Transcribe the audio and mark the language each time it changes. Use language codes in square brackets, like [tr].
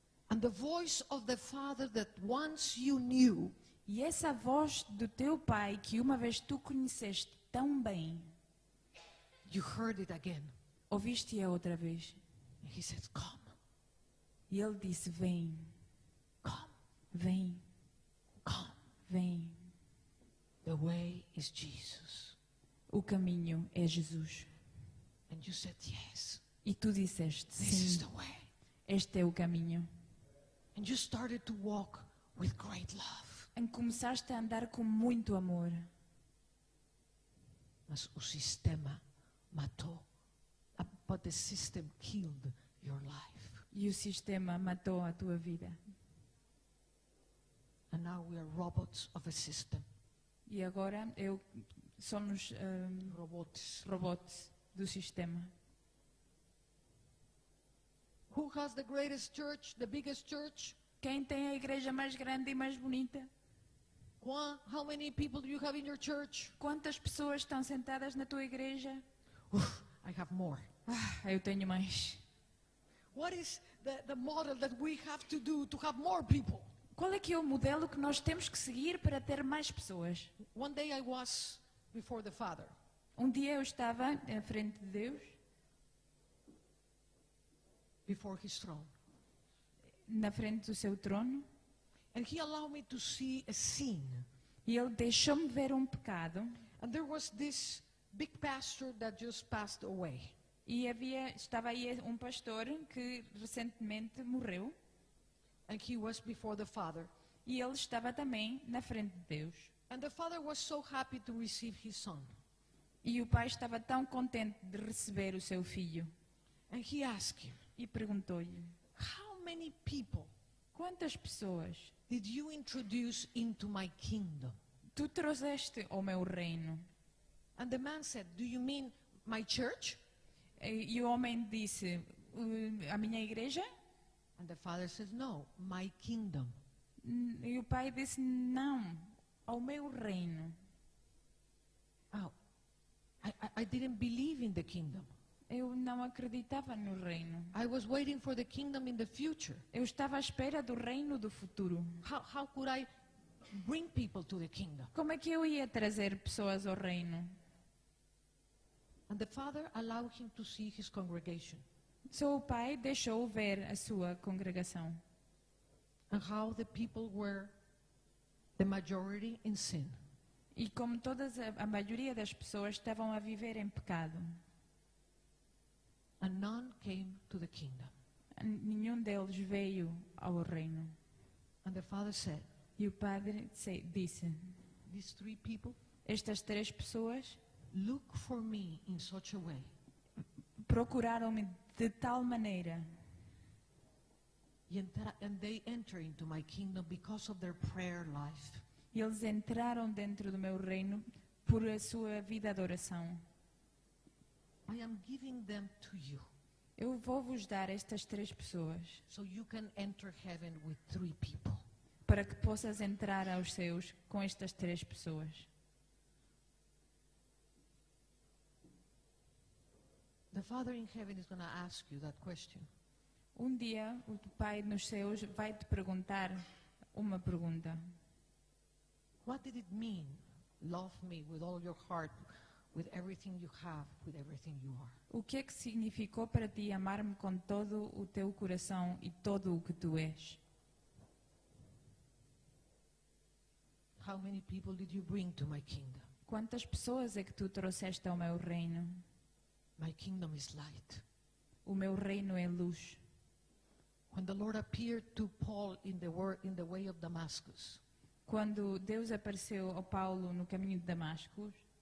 [en] And the voice of the Father that once you knew. [pt] E essa voz do teu Pai que uma vez tu conheceste tão bem. [en] You heard it again. [pt] Ouviste-a outra vez. [en] And he said, come. [pt] E ele disse, vem. [en] Come. [pt] Vem. [en] Come. [pt] Vem. [en] The way is Jesus. [pt] O caminho é Jesus. [en] And you said, yes. [pt] E tu disseste, [en] this [pt] sim. [en] Is the way. [pt] Este é o caminho. [en] And you started to walk with great love. [pt] E começaste a andar com muito amor. Mas o sistema matou. [en] But the system killed your life. [pt] E o sistema matou a tua vida. [en] And now we are robots of a system. [pt] E agora eu somos [en] robots [pt] do sistema. [en] Who has the greatest church, the biggest church? [pt] Quem tem a igreja mais grande e mais bonita? [en] How many people do you have in your church? [pt] Quantas pessoas estão sentadas na tua igreja? [en] I have more. [pt] Eu tenho mais. [en] What is the model that we have to do to have more people? [pt] Qual é que é o modelo que nós temos que seguir para ter mais pessoas? [en] One day I was before the Father. [pt] Um dia eu estava à frente de Deus. [en] Before his throne. [pt] Na frente do seu trono. [en] And he allowed me to see a sin. [pt] E ele deixou-me ver um pecado. [en] And there was this big pastor that just passed away. [pt] E havia, estava aí um pastor que recentemente morreu. [en] And he was before the Father. [pt] E ele estava também na frente de Deus. [en] And the Father was so happy to receive his son. [pt] E o pai estava tão contente de receber o seu filho. [en] And he asked him, [pt] e perguntou-lhe, [en] how many people, [pt] quantas pessoas, [en] did you introduce into my kingdom? [pt] Tu trouxeste ao meu reino. [en] And the man said, do you mean my church? [pt] E o homem disse, a minha igreja? [en] And the father says, no, my kingdom. [pt] E o pai disse, não, ao meu reino. [en] Oh, I didn't believe in the kingdom. [pt] Eu não acreditava no reino. [en] I was waiting for the kingdom in the future. [pt] Eu estava à espera do reino do futuro. [en] How could I bring people to the kingdom? [pt] Como é que eu ia trazer pessoas ao reino? [en] And the father allowed him to see his congregation. [pt] So o pai deixou ver a sua congregação. [en] And how the people were the majority in sin. [pt] E como todas a maioria das pessoas estavam a viver em pecado. [en] And none came to the kingdom. [pt] Nenhum deles veio ao reino. [en] And the father said, [pt] e o padre disse, [en] these three people, [pt] estas três pessoas, [en] look for me in such a way. [pt] Procuraram-me de tal maneira. [en] And they enter into my kingdom because of their prayer life. [pt] E eles entraram dentro do meu reino por a sua vida de oração. [en] I am giving them to you. [pt] Eu vou vos dar estas três pessoas. [en] So you can enter heaven with three people. [pt] Para que possas entrar aos céus com estas três pessoas. [en] The Father in heaven is going to ask you that question. [pt] Um dia o Pai nos céus vai te perguntar uma pergunta. [en] What did it mean? Love me with all your heart, with everything you have, with everything you are. [pt] O que é que significou para ti amar-me com todo o teu coração e todo o que tu és? [en] How many people did you bring to my kingdom? [pt] Quantas pessoas é que tu trouxeste ao meu reino? [en] My kingdom is light. [pt] O meu reino é luz. [en] When the Lord appeared to Paul in the way of Damascus. [pt] Quando Deus apareceu ao Paulo no caminho de Damasco,